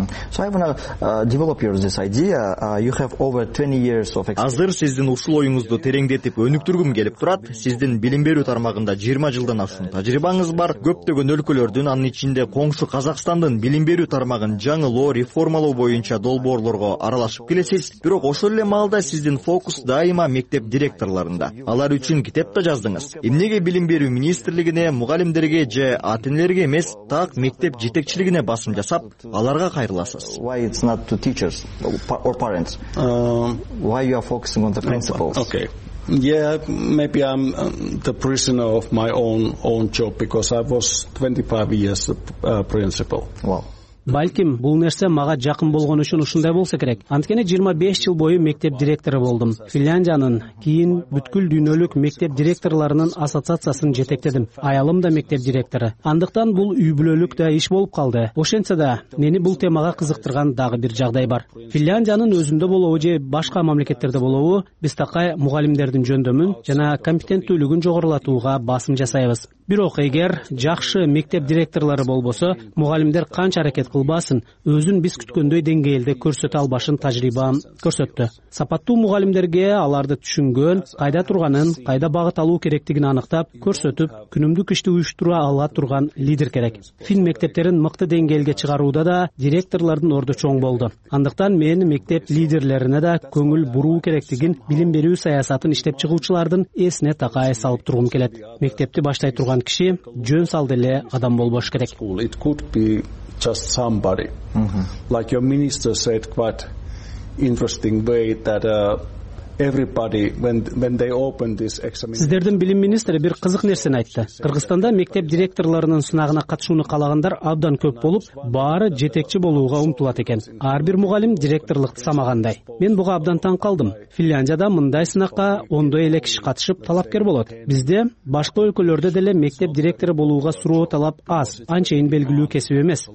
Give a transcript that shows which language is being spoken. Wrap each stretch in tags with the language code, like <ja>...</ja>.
<en>So I want to develop your this idea. You have over 20 years of experience.</en> <ky>Азыр сиздин ушул оюңузду тереңдетип өнүктүргүм келип турат. Сиздин билим берүү тармагында 20 жылдан ашуун тажрыйбаңыз бар. Көптөгөн өлкөлөрдүн, анын ичинде коңшу Казакстандын билим берүү тармагын жаңылоо, реформалоо боюнча долбоорлорго аралашып келесиз. Бирок ошол эле маалда сиздин фокус дайыма мектеп директорлорунда. Алар үчүн китеп да жаздыңыз. Эмнеге билим берүү министрлигине, мугалимдерге же ата-энелерге эмес, так мектеп жетекчилигине басым жасап, алар</ky> <en>Why it's not to teachers or parents? Why you are focusing on the principals? Okay. Yeah, maybe I'm the prisoner of my own job because I was 25 years a principal. Wow.</en> <ky>Балким бул нерсе мага жакын болгон үчүн ушундай болсо керек. Анткени 25 жыл бою мектеп директору болдум. Финляндиянын кийин бүткүл дүйнөлүк мектеп директорлорунун ассоциациясын жетектедим. Аялым да мектеп директору. Андыктан бул үй бүлөлүк да иш болуп калды. Ошентсе да мени бул темага кызыктырган дагы бир жагдай бар. Финляндиянын өзүндө болобу же башка мамлекеттерде болобу, биз такай мугалимдердин жөндөмүн жана компетенттүүлүгүн жогорулатууга басым жасайбыз. Бирок эгер жакшы мектеп директорлору болбосо, мугалимдер канча аракет кылбасын, өзүн биз күткөндөй деңгээлде көрсөтө албашын тажрыйбам көрсөттү. Сапаттуу мугалимдерге аларды түшүнгөн, кайда турганын, кайда багыт алуу керектигин аныктап, көрсөтүп, күнүмдүк ишти уюштура ала турган лидер керек. Фин мектептерин мыкты деңгээлге чыгарууда да директорлордун орду чоң болду. Андыктан мен мектеп лидерлерине да көңүл буруу керектигин билим берүү саясатын иштеп чыгуучулардын эсине такай салып тургум келет. Мектепти баштай турган киши жөн салды эле адам болбош керек.</ky> <en>It could be just somebody. Mm-hmm. Like your minister said quite interesting way that everybody when they open this examination.</en> <ky>Сиздердин билим министри бир кызык нерсени айтты. Кыргызстанда мектеп директорлорунун сынагына катышууну каалагандар абдан көп болуп, баары жетекчи болууга умтулат экен. Ар бир мугалим директорлукту самагандай. Мен буга абдан таң калдым. Финляндияда мындай сынакка ондой эле киши катышып талапкер болот. Бизде башка өлкөлөрдө деле мектеп директору болууга суроо талап аз, анчейин белгилүү кесип эмес.</ky>